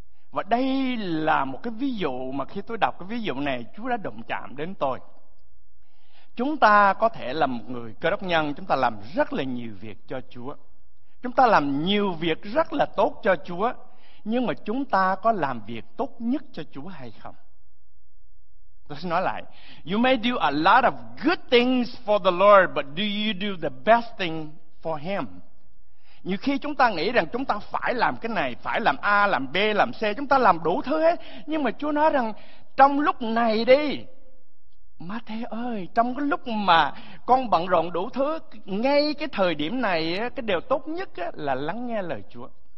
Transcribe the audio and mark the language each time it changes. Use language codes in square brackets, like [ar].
[vi] Và đây là một cái ví dụ mà khi tôi đọc cái ví dụ này, Chúa đã động chạm đến tôi. Chúng ta có thể là một người cơ đốc nhân, chúng ta làm rất là nhiều việc cho Chúa, chúng ta làm nhiều việc rất là tốt cho Chúa, nhưng mà chúng ta có làm việc tốt nhất cho Chúa hay không? Tôi sẽ nói lại. [en] You may do a lot of good things for the Lord, but do you do the best thing for Him? [vi] Nhiều khi chúng ta nghĩ rằng chúng ta phải làm cái này, phải làm A, làm B, làm C, chúng ta làm đủ thứ hết. Nhưng mà Chúa nói rằng trong lúc này đi, Matthew ơi, trong cái lúc mà con bận rộn đủ thứ, ngay cái thời điểm này, cái điều tốt nhất là lắng nghe lời Chúa.